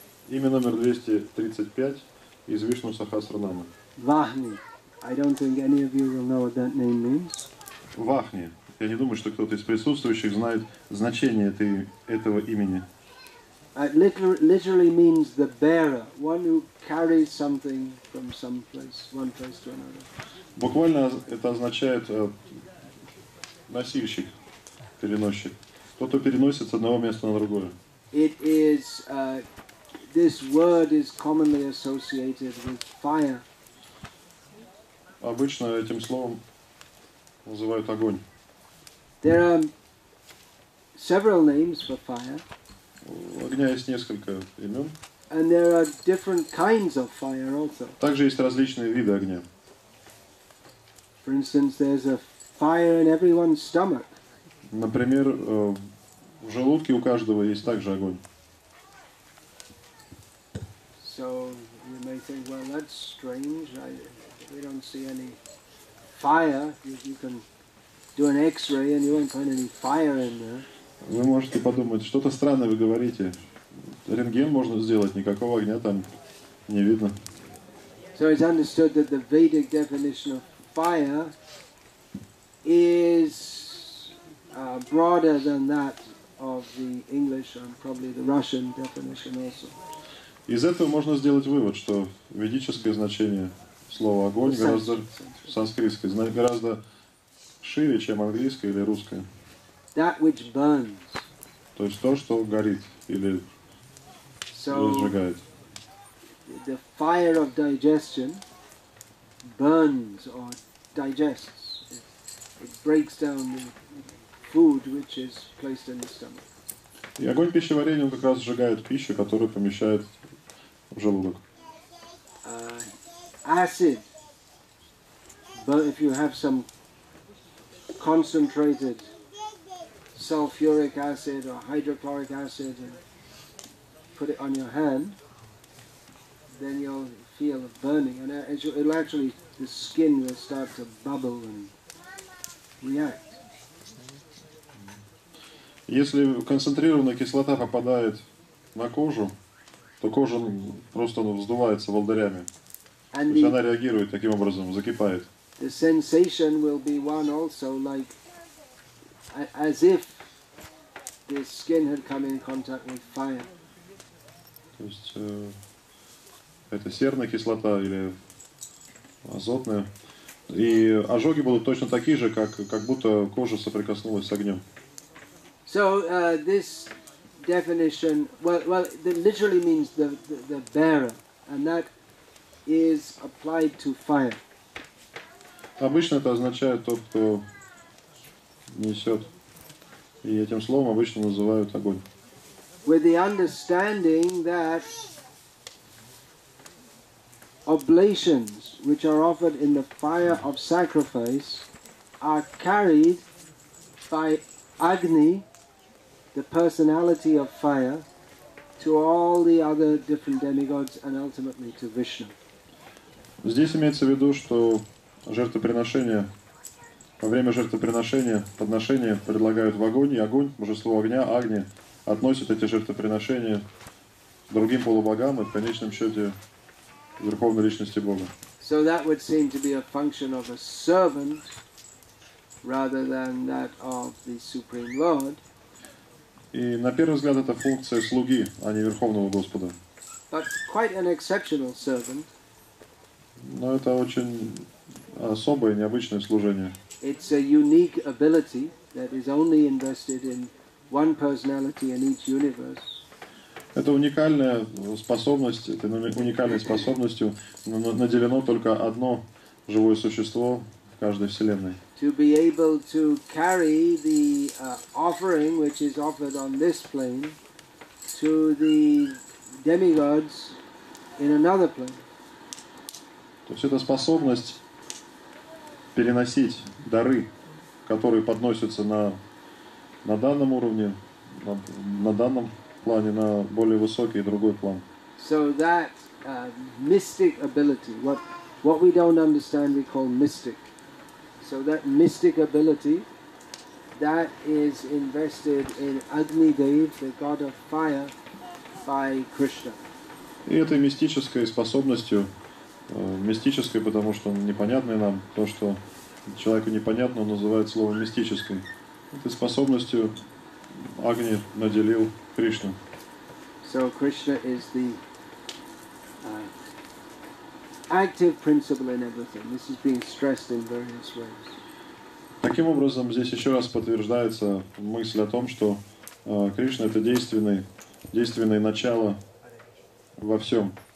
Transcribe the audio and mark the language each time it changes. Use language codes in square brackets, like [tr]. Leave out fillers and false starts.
[ru] Имя номер 235 из Вишну Сахасранама. Вахни. [en] I don't think any of you will know what that name means. [ru] Вахни. Я не думаю, что кто-то из присутствующих знает значение этого имени. [en] It literally means the bearer, one who carries something from some place, one place to another. [ru] Буквально это означает носильщик, переносчик. Тот, кто переносит с одного места на другое. [en] It is this word is commonly associated with fire. [ru] Обычно этим словом называют огонь. [en] There are several names for fire. [ru] У огня есть несколько имен. [en] And there are different kinds of fire also. [ru] Также есть различные виды огня. [en] For instance, there's a fire in everyone's stomach. [ru] Например, в желудке у каждого есть также огонь. [en] So you may think, well, that's strange. We don't see any fire. You can do an X-ray and you won't find any fire in there. [ru] Вы можете подумать, что-то странное вы говорите. Рентген можно сделать, никакого огня там не видно. [en] So it's understood that the Vedic definition of fire is broader than that of the English and probably the Russian definition also. [ru] Из этого можно сделать вывод, что ведическое значение слова огонь гораздо санскритское, значит, гораздо шире, чем английское или русское. [en] That which burns. [ru] То есть то, что горит или сжигает. [en] The fire of digestion burns or digests. It breaks down the food which is placed in the stomach. [ru] И огонь пищеварения, он как раз сжигает пищу, которую помещает в желудок. [en] Acid. But if you have some concentrated sulfuric acid or hydrochloric acid and put it on your hand, then you'll feel a burning and it'll actually the skin will start to bubble and react. [ru] Если концентрированная кислота попадает на кожу, то кожа просто вздувается волдырями. То есть она реагирует таким образом, закипает. [en] The sensation will be one also like as if the skin had come in contact with fire. [ru] То есть это серная кислота или азотная. И ожоги будут точно такие же, как будто кожа соприкоснулась с огнем. [en] So this definition well it literally means the bearer, and that is applied to fire. [ru] Обычно это означает тот, кто несет. И этим словом обычно называют огонь. [en] With the understanding that oblations, which are offered in the fire of sacrifice, are carried by Agni, the personality of fire, to all the other different demigods and ultimately to Vishnu. [ru] Здесь имеется в виду, что жертвоприношение. Во время жертвоприношения подношения предлагают в огонь, и огонь, божество огня, Агни, относит эти жертвоприношения к другим полубогам и в конечном счете к Верховной Личности Бога. [en] So that would seem to be a function of a servant rather than that of the Supreme Lord. [ru] И на первый взгляд это функция слуги, а не Верховного Господа. [en] But quite an exceptional servant. [ru] Но это очень особое, необычное служение. [en] It's a unique ability that is only invested in one personality in each universe. [ru] Это уникальная способность, это уникальной способностью наделено только одно живое существо в каждой вселенной. [en] To be able to carry the offering which is offered on this plane to the demigods in another plane. [ru] То есть это способность переносить дары, которые подносятся на данном уровне, на данном плане, на более высокий другой план. [en] So that mystic ability, what we don't understand, we call mystic. So that mystic ability, that is invested in Agnidev, the god of fire, by Krishna. [ru] И этой мистической способностью, мистической, потому что непонятной нам, то, что человеку непонятно, он называет словом мистической. Этой способностью Агни наделил Кришну. [en] So Krishna is the active principle in everything. This is being stressed in various ways. [ru] Таким образом, здесь еще раз подтверждается мысль о том, что Кришна это действенное начало во всем.